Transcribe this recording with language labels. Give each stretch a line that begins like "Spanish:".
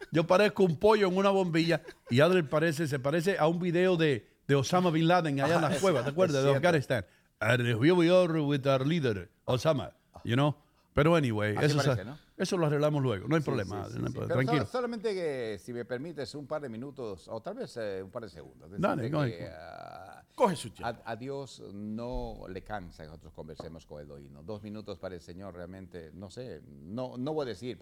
Spanish: Yo parezco un pollo en una bombilla y Adre parece, se parece a un video de Osama Bin Laden allá en las cuevas, ¿te acuerdas? De Afganistán.
English: And here we are with our leader, Osama, you know?
Spanish: Pero anyway, eso, parece, ¿no? Eso lo arreglamos luego, no hay problema, tranquilo. Solamente que, si me permites, un par de minutos, o tal vez un par de segundos. Dale, que, coge su tiempo. A Dios no le cansa que nosotros conversemos con el oído. Dos minutos para el Señor realmente, no sé, no voy a decir.